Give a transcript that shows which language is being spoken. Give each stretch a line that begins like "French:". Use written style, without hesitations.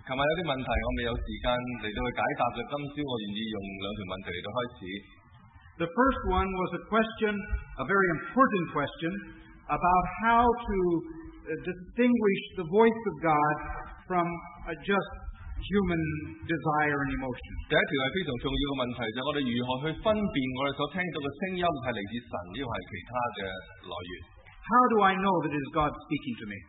Cantonese: 琴日有啲问题我未有时间嚟到去解答嘅，今朝我愿意用两条问题嚟到开始。
English: The first one was a question, a very important question, about how to distinguish the voice of God from just human desire and emotion.
Cantonese: 第一条系非常重要嘅问题，就是我哋如何去分辨我哋所听到嘅声音系嚟自神，亦或系其他嘅来源。
English: How do I know that it is God speaking to me?